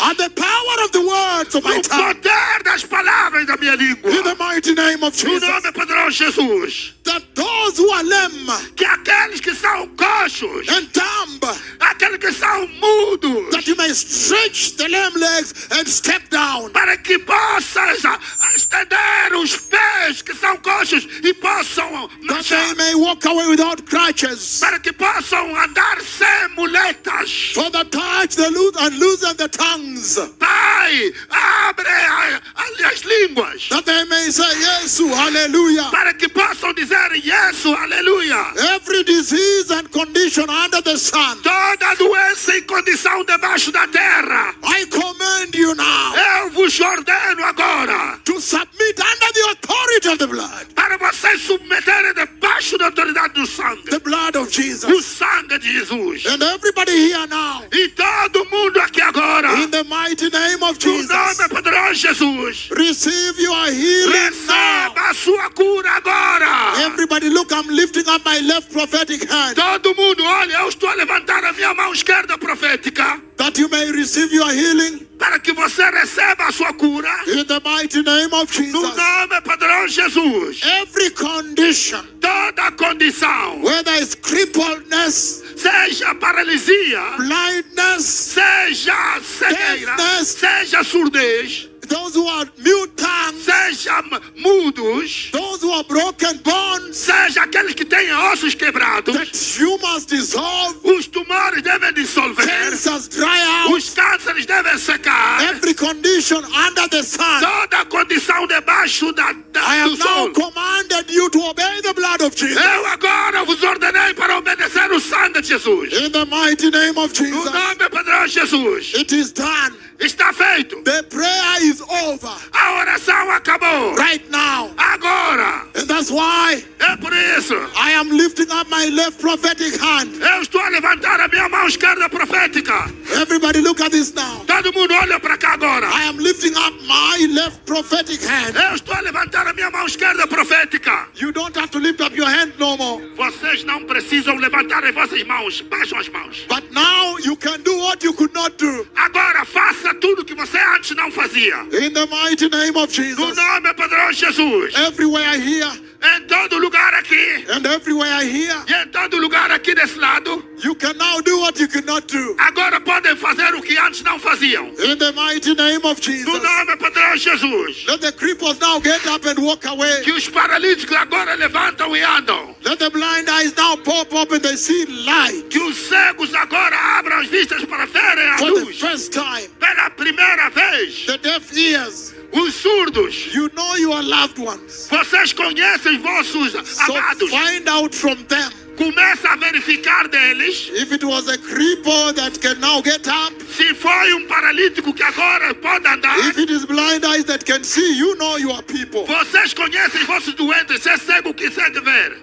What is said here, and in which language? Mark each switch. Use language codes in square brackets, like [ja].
[en] And the power of the words of my tongue. [pt] O poder das palavras da minha língua. [en] In the mighty name of Jesus. [pt] No nome poderoso de Jesus. [en] That those who are lame. [pt] Que aqueles que são coxos. [en] And dumb. [pt] Aqueles que são mudos. [en] That you may stretch the lame legs and step down. [pt] Para que possas estender os pés que são coxos e possam marchar. [en] That they may walk away without crutches. [pt] Para que possam andar sem muletas. [en] For the touch the loose and loosen the tongues. [pt] Pai, abre as línguas. [en] That they may say yes, hallelujah. [pt] Para que possam dizer [en] yes, [pt] hallelujah. [en] Every disease and condition under the sun. [pt] Toda doença e condição debaixo da terra. [en] I command you now. [pt] Eu vos ordeno agora. [en] To submit under the authority of the blood. [pt] Para vocês submeterem debaixo da autoridade do sangue. [en] The blood of Jesus. [pt] O sangue de Jesus. [en] And everybody here now. [pt] E todo mundo aqui agora. [en] In the mighty name of Jesus. [pt] No nome poderoso Jesus. [en] Receive your healing. [pt] Receba [en] now. [pt] A sua cura agora. [en] Everybody, look, I'm lifting up my left prophetic hand. [pt] Todo mundo, olha, eu estou a levantar a minha mão esquerda profética. [en] That you may receive your healing. [pt] Para que você receba a sua cura. [en] In the mighty name of Jesus. [pt] No nome poderoso Jesus. [en] Every condition. [pt] Toda condição. [en] Whether it's crippledness. [pt] Seja paralisia. [en] Blindness. [pt] Seja cegueira. [en] Deafness. [pt] Seja surdez. [en] Those who are mute tongues. [pt] Sejam mudos. [en] Those who are broken bones. [pt] Seja aqueles que têm ossos quebrados. [en] That tumors dissolve. [pt] Os tumores devem dissolver. [en] Cancers dry out. [pt] Os cânceres devem secar. [en] Every condition under the sun. [pt] Toda condição debaixo da [en] I have now commanded you to obey the blood of Jesus. [pt] Eu agora vos ordenei para obedecer o sangue de Jesus. [en] In the mighty name of Jesus. [pt] No nome poderoso Jesus. [en] It is done. [pt] Está feito. [en] The prayer is over. [pt] A oração acabou. [en] Right now. [pt] Agora. [en] And that's why. [pt] É por isso. [en] I am lifting up my left prophetic hand. [pt] Eu estou a levantar a minha mão esquerda profética. [en] Everybody, look at this now. [pt] Todo mundo olha para cá agora. [en] I am lifting up my left prophetic hand. [pt] Eu estou a levantar a minha mão esquerda profética. [en] You don't have to lift up your hand no more. [pt] Vocês não precisam levantar as vossas mãos. Baixem as mãos. [en] But now you can do what you could not do. [pt] Agora faça. Faça tudo que você antes não fazia. [en] In the mighty name of Jesus. [pt] No nome poderoso de Jesus. [en] Everywhere I hear. [pt] Em todo lugar aqui. [en] And everywhere I hear. [pt] E em todo lugar aqui desse lado. [en] You can now do what you could not do. [pt] Agora podem fazer o que antes não faziam. [en] In the mighty name of Jesus. [pt] No nome poderoso de Jesus. [en] Let the cripples now get up and walk away. [pt] Que os paralíticos agora levantam e andam. [en] Let the blind eyes now pop up and they see light. [pt] Que os cegos agora abram as vistas para verem a [en] For [pt] luz. [en] For the first time. [pt] Pela primeira vez. [en] The deaf ears. [pt] Os surdos. [en] You know your loved ones. [pt] Vocês conhecem vossos amados. [en] So find out from them. [pt] Começa a verificar deles. [en] If it was a cripple that can now get up. [pt] Se foi paralítico que agora pode andar. [en] If it is blind eyes that can see, you know your people. [pt] Vocês conhecem vossos doentes, se é cego que consegue ver.